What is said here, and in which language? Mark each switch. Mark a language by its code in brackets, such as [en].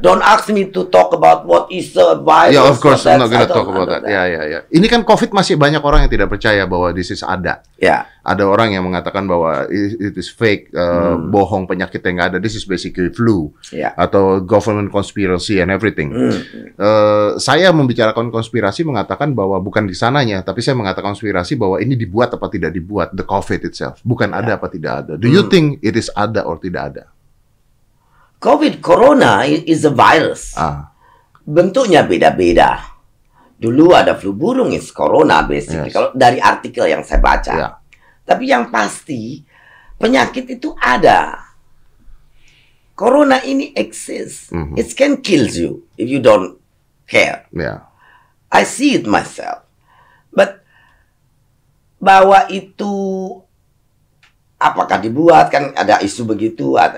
[en] Don't ask me to talk about what is the virus. Yeah, of course, I'm not going to talk about that. Yeah. [id] Ini kan COVID masih banyak orang yang tidak percaya bahwa [en] this is [id] ada. [en] Yeah. [id] Ada orang yang mengatakan bahwa [en] it is fake, [id] bohong, penyakit yang nggak ada. [en] This is basically flu. Yeah. [id] Atau [en] government conspiracy and everything. Mm. [id] Saya membicarakan konspirasi mengatakan bahwa bukan di sananya, tapi saya mengatakan konspirasi bahwa ini dibuat apa tidak dibuat, [en] the COVID itself. [id] Bukan ada apa tidak ada. [en] Do you think it is [id] ada [en] or [id] tidak ada? [en] COVID, corona is a virus. [id] Bentuknya beda-beda. Dulu ada flu burung [en] is corona basically. Yes. [id] Kalau dari artikel yang saya baca. [en] Yeah. [id] Tapi yang pasti penyakit itu ada. Corona ini exist. Mm-hmm. [en] It can kill you if you don't care. Yeah. I see it myself. But [id] bahwa itu apakah dibuat, kan ada isu begitu.